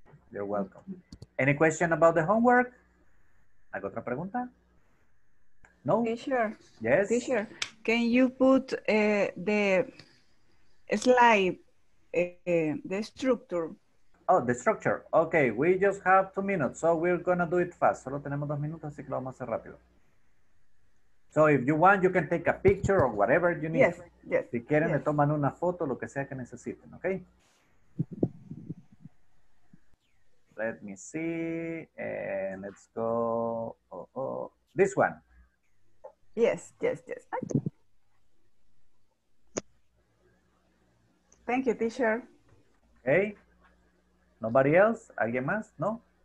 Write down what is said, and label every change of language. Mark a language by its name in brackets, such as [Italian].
[English] You're welcome. Any question about the homework? [Spanish] ¿Alguna otra pregunta? [English] No? Teacher. Yes? Teacher, can you put the... slide, the structure. Oh, the structure. Okay, we just have 2 minutes, so we're gonna do it fast. [Spanish] Solo tenemos 2 minutos, así que lo vamos a hacer rápido. [English] So if you want, you can take a picture or whatever you need. Yes, yes. [Spanish] Si quieren, [English] yes. [Spanish] Le toman una foto, lo que sea que necesiten, okay? [English] Let me see, and let's go, this one. Yes, yes, yes. Okay. Thank you, teacher. Okay. Nobody else? [Spanish] ¿Alguien más? [English] No?